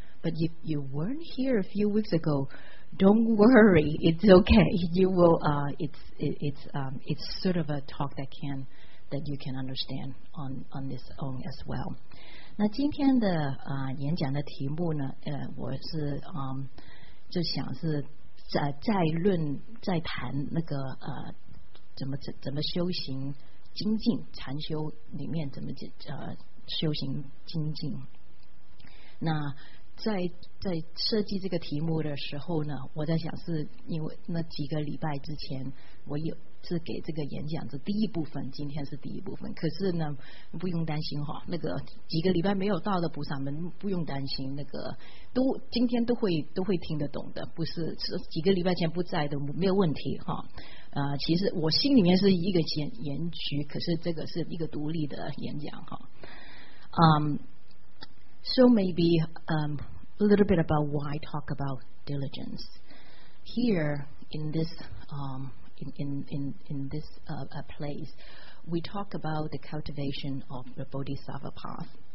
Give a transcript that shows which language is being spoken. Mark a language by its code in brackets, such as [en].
[en] But if you weren't here a few weeks ago, don't worry, it's okay. You will, it's sort of a talk that can... that you can understand on this own as well. [zh] 那今天的演讲的题目呢，我是就想是再谈那个怎么修行精进，禅修里面怎么修行精进。那在设计这个题目的时候呢，我在想是因为那几个礼拜之前我有。是给这个演讲是第一部分，今天是第一部分。可是呢，不用担心哈，那个几个礼拜没有到的菩萨们不用担心，那个都今天都会听得懂的，不是是几个礼拜前不在的没有问题哈。其实我心里面是一个延续，可是这个是一个独立的演讲哈。 [en] So maybe a little bit about why I talk about diligence here in this In this place, we talk about the cultivation of the Bodhisattva path.